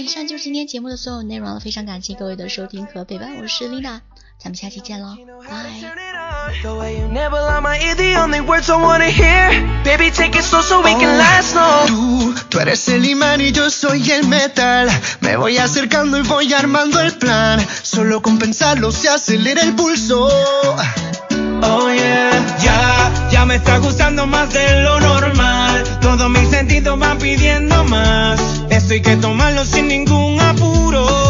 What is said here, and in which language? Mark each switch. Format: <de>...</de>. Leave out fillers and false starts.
<zh>以上就是今天节目的所有内容了，非常感谢各位的收听和陪伴，我是 Lina， 咱们下期见喽，拜。</zh> <en>The way you never lie my ear, the only words I wanna hear. Baby, take it slow so we can last long.</en> <es>Tú eres el imán y yo soy el metal. Me voy acercando y voy armando el plan. Solo con pensarlo se acelera el pulso. Oh yeah. Ya me está gustando más de lo normal. Todos mis sentidos van pidiendo más. Esto hay que tomarlo sin ningún apuro.</es>